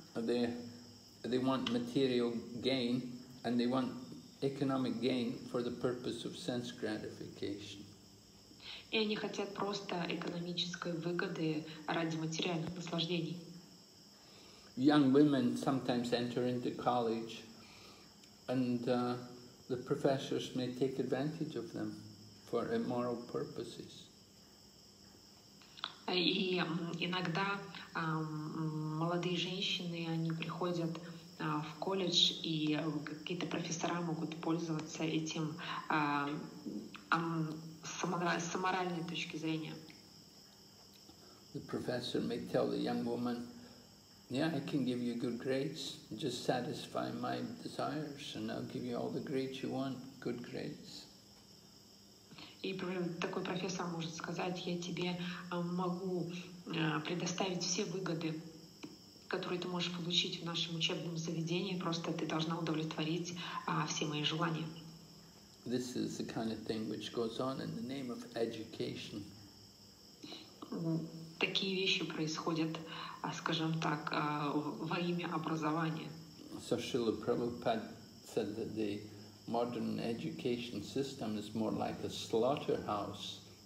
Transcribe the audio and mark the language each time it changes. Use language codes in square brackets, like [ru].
[en] They want material gain, and they want economic gain for the purpose of sense gratification. [ru] И они хотят просто экономической выгоды ради материальных наслаждений. [en] Young women sometimes enter into college, and the professors may take advantage of them for immoral purposes. [ru] И иногда молодые женщины, они приходят в колледж, и какие-то профессора могут пользоваться этим с моральной точки зрения. [en] The professor may tell the young woman, yeah, I can give you good grades, just satisfy my desires, and I'll give you all the grades you want, good grades. [ru] И такой профессор может сказать, я тебе могу предоставить все выгоды, которые ты можешь получить в нашем учебном заведении, просто ты должна удовлетворить все мои желания. [en] This is the kind of thing which goes on in the name of education. [ru] Такие вещи происходят, скажем так, во имя образования. [en] So Srila Prabhupada said that the modern education system is more like a slaughterhouse.